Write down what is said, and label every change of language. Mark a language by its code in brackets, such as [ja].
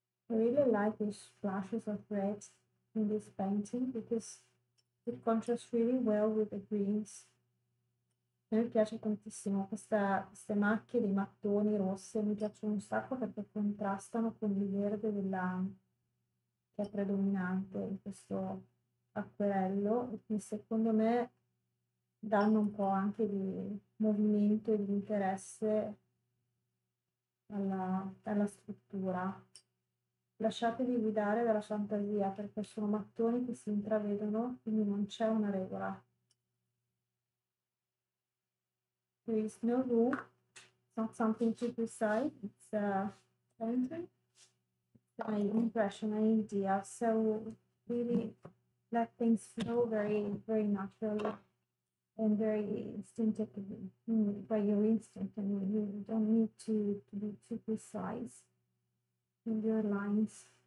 [en] I really like these flashes of red in this painting because it contrasts really well with the greens. [it] Mi piace tantissimo queste macchie di mattoni rosse, mi piacciono un sacco perché contrastano con il verde che è predominante in questo acquerello, che secondo me danno un po' anche di movimento e di interesse alla struttura. Lasciatevi guidare dalla fantasia perché sono mattoni che si intravedono, quindi non c'è una regola. [en] There is no rule, it's not something to precise, it's my impression, my idea, so really let things flow very, very naturally and very instinctively, by your instinct. I mean, you don't need to be too precise in your lines.